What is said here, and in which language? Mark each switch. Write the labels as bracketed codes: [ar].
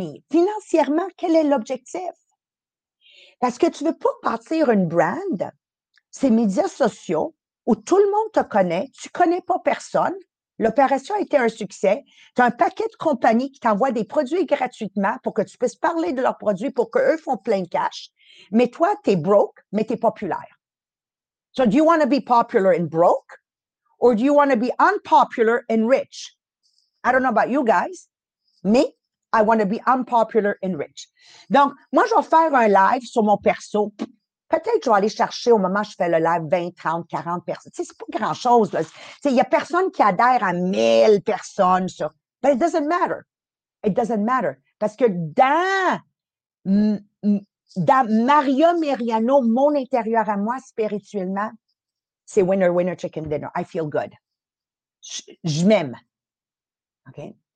[fr] Financièrement, quel est l'objectif? Parce que tu veux pas partir une brand, ces médias sociaux, où tout le monde te connaît, tu connais pas personne, l'opération a été un succès, tu as un paquet de compagnies qui t'envoient des produits gratuitement pour que tu puisses parler de leurs produits pour qu'eux font plein de cash. Mais toi, t'es broke, mais t'es populaire. [en] So, do you want to be popular and broke? Or do you want to be unpopular and rich? I don't know about you guys, mais I want to be unpopular and rich. [fr] Donc, moi, je vais faire un live sur mon perso. Peut-être je vais aller chercher, au moment où je fais le live, 20, 30, 40 personnes. Tu sais, c'est pas grand-chose. Tu sais, il y a personne qui adhère à 1000 personnes. [en] But it doesn't matter. It doesn't matter. [fr] Parce que dans Mario Mariano, mon intérieur à moi, spirituellement, c'est [en] winner, winner, chicken dinner. I feel good. [fr] Je m'aime. OK?